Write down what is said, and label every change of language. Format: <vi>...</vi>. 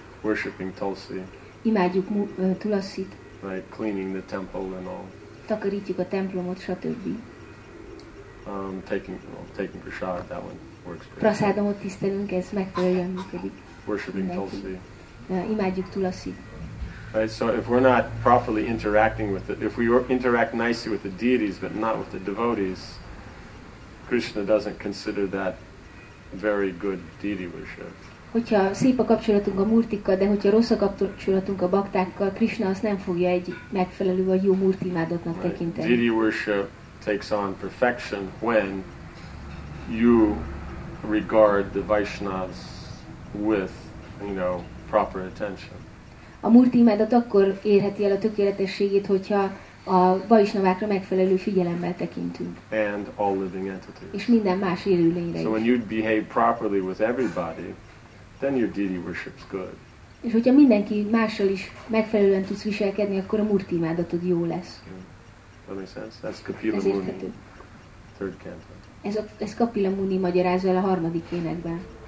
<en>Worshiping Tulsi.</en> <hu>Imádjuk Tulasit.</hu> <en>Right, cleaning the temple and all.</en> <hu>Takarítjuk a templomot, stb.</hu> <en>Taking prasad, that one works.</en> <hu>Prasadamot tisztelünk, ez megfelelően működik.</hu> <en>Worshiping Tulsi.</en> <hu>Imádjuk Tulasit.</hu> <en>Right, so if we're not properly interacting with it, if we interact nicely with the deities but not with the devotees, Krishna doesn't consider that very good deity worship.</en> <hu>Hogyha szép a kapcsolatunk a murtikkal, de hogyha rossz a kapcsolatunk a baktákkal, Krishna azt nem fogja egy megfelelő vagy jó murti imádatnak tekinteni.</hu> <en>Deity worship takes on perfection when you regard the Vaishnavas with, proper attention.</en> <hu>A murti imádat akkor érheti el a tökéletességét, hogyha a Vaisnavákra megfelelő figyelemmel tekintünk.</hu> <en>And all living entities.</en> <hu>És minden más élőlényre</hu> <en>is. So when you behave properly with everybody, then your deity worship's good.</en> <hu>És hogyha mindenki mással is megfelelően tudsz viselkedni, akkor a murti imádatod jó lesz.</hu> <en>Yeah. That makes sense? That's Kapila Muni, third canto.</en> <hu>Ez Kapila Muni magyarázva el a harmadik énekben.</hu>